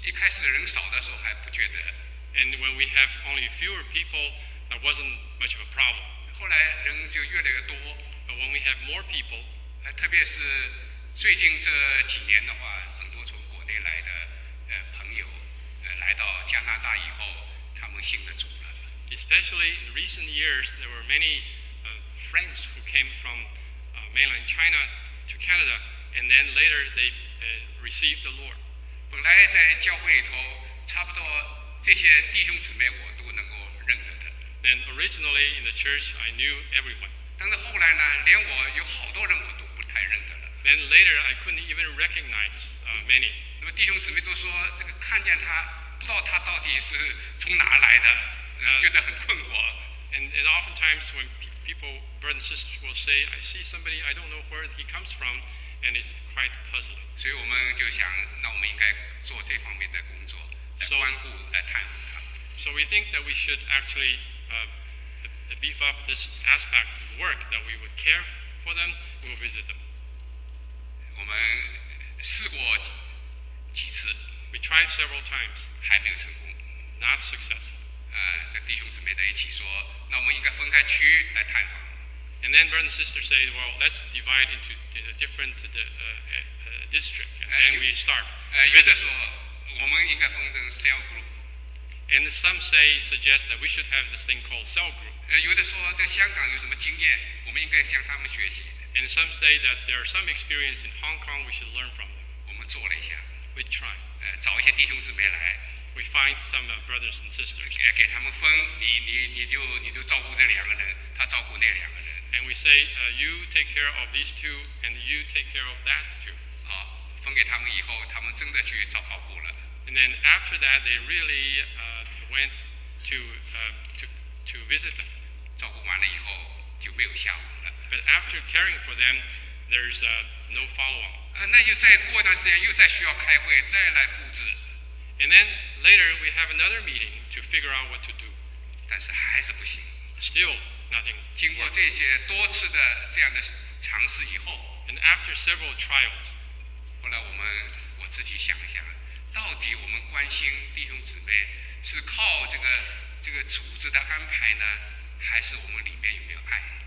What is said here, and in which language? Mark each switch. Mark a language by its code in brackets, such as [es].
[zh] 一开始人少的时候还不觉得。 [en] And when we have only fewer people, that wasn't much of a problem. [zh] 后来人就越来越多。 [en] But when we have more people, [zh] 特别是最近这几年的话，很多从国内来的朋友来到加拿大以后，他们信了主了。 [en] Especially in recent years, there were many friends who came from mainland China to Canada, and then later they received the Lord. [zh] 本来在教会里头，差不多这些弟兄姊妹我都能够认得的。 [en] Then originally in the church, I knew everyone. [zh] 但是后来呢，连我有好多人我都不太认得了。 [en] Then later, I couldn't even recognize many. [zh] 那么弟兄姊妹都说，这个看见他，不知道他到底是从哪来的，觉得很困惑。 [en] And oftentimes when people, brothers and sisters will say, I see somebody, I don't know where he comes from, and it's quite puzzling. [zh] 所以我们就想，那我们应该做这方面的工作，来关顾，来探访他。 [en] So we think that we should actually beef up this aspect of work, that we would care for them, we'll visit them. [zh] 我们试过几次 [en] ，We tried several times， [zh] 还没有成功 [en] ，Not successful。 [zh] 这弟兄姊妹在一起说，那我们应该分开区来探访。 [en] And then brother and sister say, well, let's divide into the different district, and then we start. [zh] 有的说，我们应该分成 cell group。 [en] And some suggest that we should have this thing called cell group。 [zh] 有的说，在香港有什么经验，我们应该向他们学习。 [en] And some say that there are some experience in Hong Kong we should learn from them. [zh] 我们做了一下。 [en] We try. [zh] 找一些弟兄姊妹来。 [en] We find some brothers and sisters. [zh] 给他们分，你就照顾这两个人，他照顾那两个人。 [en] And we say, you take care of these two, and you take care of that two. [zh] 好，分给他们以后，他们真的去找保护了。 [en] And then after that, they really went to visit them. [zh] 照顾完了以后，就没有下文。 [en] But after caring for them, there's no follow-up. [zh] 那又再过一段时间，又再需要开会，再来布置。 [en] And then later we have another meeting to figure out what to do. [zh] 但是还是不行。 [en] Still nothing. [zh] 经过这些多次的这样的尝试以后 [en] ，And after several trials, [zh] 后来我自己想一想，到底我们关心弟兄姊妹是靠这个组织的安排呢，还是我们里面有没有爱？